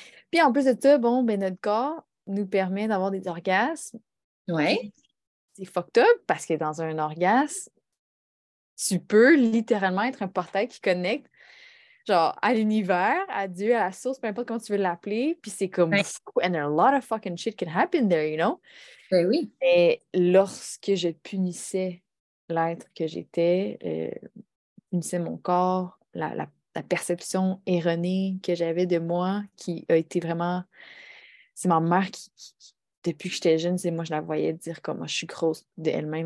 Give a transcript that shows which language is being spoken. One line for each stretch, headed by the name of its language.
French: Puis en plus de ça, bon, ben notre corps nous permet d'avoir des orgasmes. Ouais. C'est fucked up parce que dans un orgasme, tu peux littéralement être un portail qui connecte genre à l'univers, à Dieu, à la source, peu importe comment tu veux l'appeler, puis c'est comme oui.
English: And a lot of fucking shit can happen there, you know?
French: Ben oui. Et lorsque je punissais l'être que j'étais, punissais mon corps, la perception erronée que j'avais de moi qui a été vraiment... C'est ma mère qui depuis que j'étais jeune, c'est moi, je la voyais dire comme oh, je suis grosse d'elle-même.